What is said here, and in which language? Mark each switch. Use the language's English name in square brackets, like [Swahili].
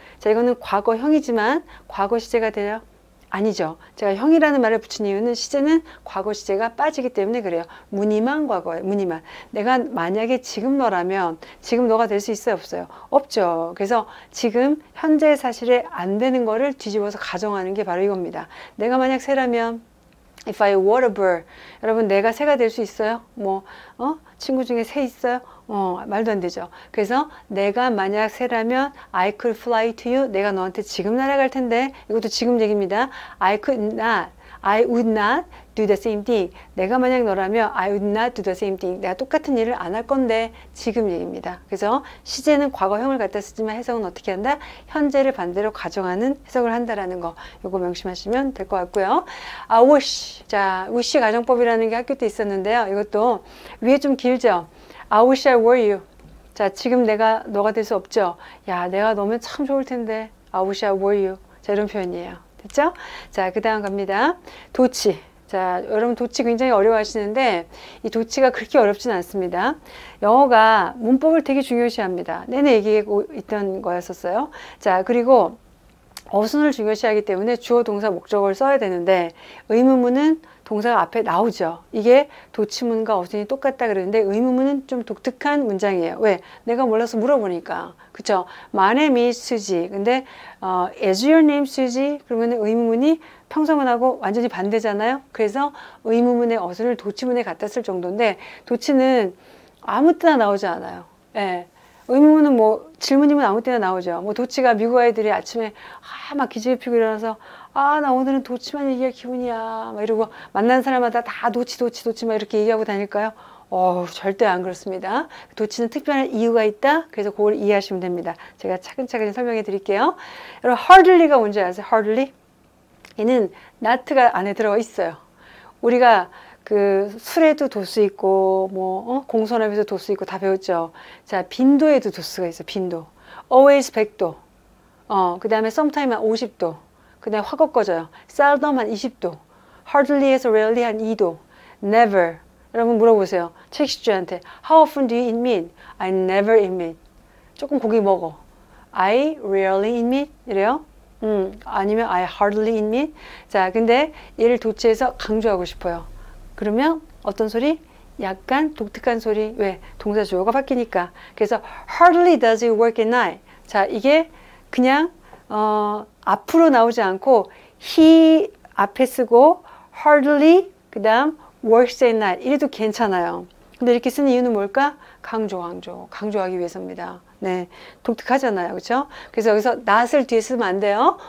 [Korean] 자, 이거는 과거형이지만 과거 시제가 돼요? 아니죠. 제가 형이라는 말을 붙인 이유는 시제는 과거 시제가 빠지기 때문에 그래요. 무늬만 과거예요. 무늬만. 내가 만약에 지금 너라면 지금 너가 될수 있어요? 없어요? 없죠. 그래서 지금 현재 사실에 안 되는 거를 뒤집어서 가정하는 게 바로 이겁니다. 내가 만약 새라면 [English] If I were a bird. [Korean] 여러분, 내가 새가 될수 있어요? 뭐, 친구 중에 새 있어요? 말도 안 되죠. 그래서 내가 만약 새라면 [English] I could fly to you. [Korean] 내가 너한테 지금 날아갈 텐데. 이것도 지금 얘기입니다. [English] I could not. I would not do the same thing. [Korean] 내가 만약 너라면 [English] I would not do the same thing. [Korean] 내가 똑같은 일을 안할 건데. 지금 얘기입니다. 그래서 시제는 과거형을 갖다 쓰지만 해석은 어떻게 한다? 현재를 반대로 가정하는 해석을 한다라는 거. 요거 명심하시면 될것 같고요. [English] I wish. [Korean] 자, wish 가정법이라는 게 학교 때 있었는데요. 이것도 위에 좀 길죠? [English] I wish I were you. [Korean] 자, 지금 내가 너가 될수 없죠? 야, 내가 너면 참 좋을 텐데. [English] I wish I were you. [Korean] 자, 이런 표현이에요. 됐죠? 자, 그 다음 갑니다. 도치. 자, 여러분 도치 굉장히 어려워하시는데, 이 도치가 그렇게 어렵진 않습니다. 영어가 문법을 되게 중요시합니다. 내내 얘기하고 있던 거였었어요. 자, 그리고 어순을 중요시하기 때문에 주어, 동사, 목적어를 써야 되는데, 의문문은 동사가 앞에 나오죠. 이게 도치문과 어순이 똑같다 그러는데 의문문은 좀 독특한 문장이에요. 왜? 내가 몰라서 물어보니까. [English] 그쵸? My name is Suzy. 근데 is your name Suzy? [Korean] 그러면 의문문이 평소문하고 완전히 반대잖아요. 그래서 의문문의 어순을 도치문에 갖다 쓸 정도인데 도치는 아무 때나 나오지 않아요. 예. 의문문은 뭐 질문이면 아무 때나 나오죠. 뭐 도치가 미국 아이들이 아침에 막 기지개 피고 일어나서 아, 나 오늘은 도치만 얘기할 기분이야. 막 이러고 만난 사람마다 다 도치, 도치, 도치 막 이렇게 얘기하고 다닐까요? 절대 안 그렇습니다. 도치는 특별한 이유가 있다. 그래서 그걸 이해하시면 됩니다. 제가 차근차근 설명해 드릴게요. 여러분, hardly가 뭔지 아세요? [English] hardly? [Korean] 얘는 not가 안에 들어가 있어요. 우리가 그 술에도 도수 있고 뭐 공손함에도 도수 있고 다 배웠죠. 자, 빈도에도 도수가 있어요. 빈도. always 100도. 그다음에 sometime 한 50도. 그냥 확 꺾어져요. seldom 한 20도. hardly에서 rarely 한 2도. never. 여러분 물어보세요. 책식주한테. [English] How often do you eat meat? I never eat meat. [Korean] 조금 고기 먹어. [English] I rarely eat meat. 이래요. 아니면 I hardly eat meat. [Korean] 자, 근데 얘를 도치해서 강조하고 싶어요. 그러면 어떤 소리? 약간 독특한 소리. 왜? 동사 주어가 바뀌니까. [English] 그래서 hardly does it work at night. [Korean] 자, 이게 그냥 앞으로 나오지 않고 he 앞에 쓰고 hardly 그다음 works at night 이래도 괜찮아요. 근데 이렇게 쓰는 이유는 뭘까? 강조, 강조, 강조하기 위해서입니다. 네, 독특하잖아요, 그렇죠? 그래서 여기서 not을 뒤에 쓰면 안 돼요.